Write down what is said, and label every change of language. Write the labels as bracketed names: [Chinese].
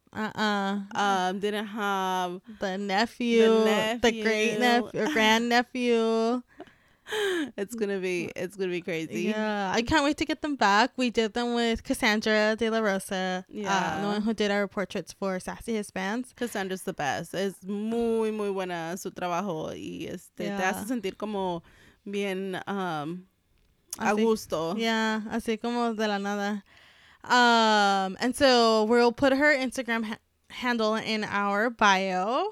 [English] Didn't have the great grandnephew. It's gonna be crazy. Yeah, I can't wait to get them back. We did them with Cassandra De La Rosa, the one who did our portraits for Sassy Hispans. Cassandra's the best. [Spanish] Es muy muy buena su trabajo y te hace sentir como bien a gusto. Yeah, así como de la nada. [English] And so we'll put her Instagram handle in our bio.